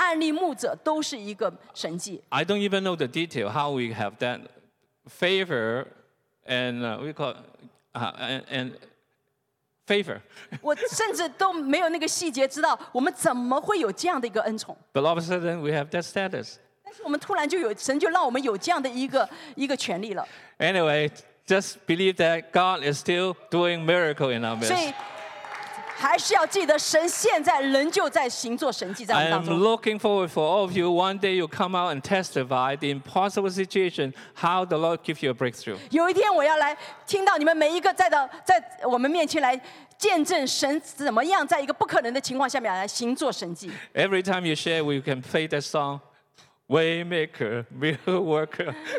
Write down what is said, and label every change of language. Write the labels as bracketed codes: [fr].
[zh] 甚至我们有这样的一个权柄来按立牧者，都是一个神迹。 [en] I don't even know the detail how we have that favor, and we call favor. [zh] 我甚至都没有那个细节知道我们怎么会有这样的一个恩宠。 [en] But all of a sudden, we have that status. [zh] 但是我们突然就有神就让我们有这样的一个权利了。 [en] Anyway, just believe that God is still doing miracle in our midst. [zh] 所以还是要记得神现在仍旧在行做神迹在我们当中。 [en] I am looking forward for all of you. One day you come out and testify the impossible situation, how the Lord gives you a breakthrough. [zh] 有一天我要来听到你们每一个在我们面前来 见证神怎么样在一个不可能的情况下面来行做神迹。 [en] Every time you share, we can play that song, Waymaker, Miracle Worker.